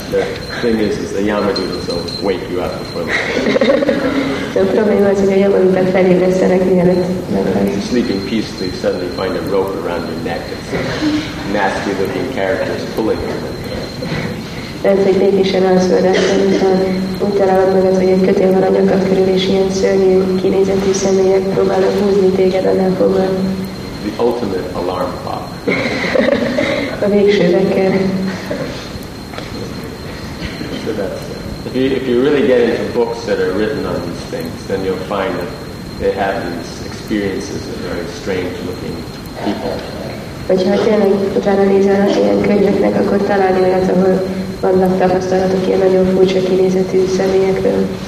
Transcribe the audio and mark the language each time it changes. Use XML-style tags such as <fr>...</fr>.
<en>The thing is the Yamadutas will wake you up before the</en> <hu>a probléma az, hogy a Yamadutak felébresztenek, mielőtt meghalsz.</hu> <en>You're sleeping peacefully, suddenly find a rope around your neck and some nasty looking characters pulling on it.</en> <hu>Lehet, hogy békésen alszol, de úgy találod magad, hogy egy kötél van a nyakad körül, és ilyen szörnyű, kinézetű személyek próbálnak húzni téged annál fogva.</hu> <en>The ultimate alarm clock.</en> <hu>A végső vekker.</hu> <en>So that's it. If you really get into books that are written on these things, then you'll find that they have these experiences of very strange looking people.</en> <hu>Hogyha tényleg utána nézel ilyen könyveknek, akkor találni olyat, ahol vannak tapasztalatok ilyen nagyon furcsa kinézetű személyekről.</hu>